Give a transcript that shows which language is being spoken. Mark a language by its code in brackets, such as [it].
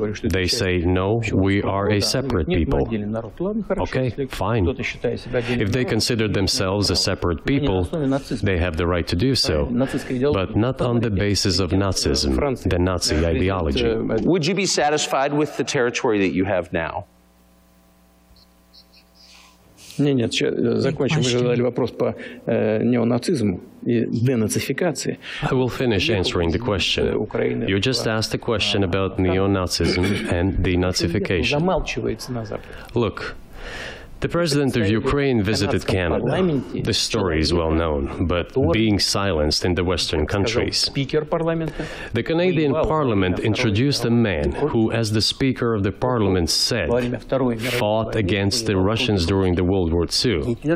[en] They say, no, we are a separate people. Okay, fine. If they consider themselves a separate people, they have the right to do so, but not on the basis of Nazism, the Nazi ideology. Would you be satisfied with the territory that you have now? [ru] Нет, закончим. Вы задали вопрос по неонацизму и денацификации. [en] I will finish answering the question. You just asked a question about neo-Nazism and denazification. Look, the president of Ukraine visited Canada. This story is well known, but being silenced in the Western countries. The Canadian parliament introduced a man who, as the speaker of the parliament said, fought against the Russians during the World War II.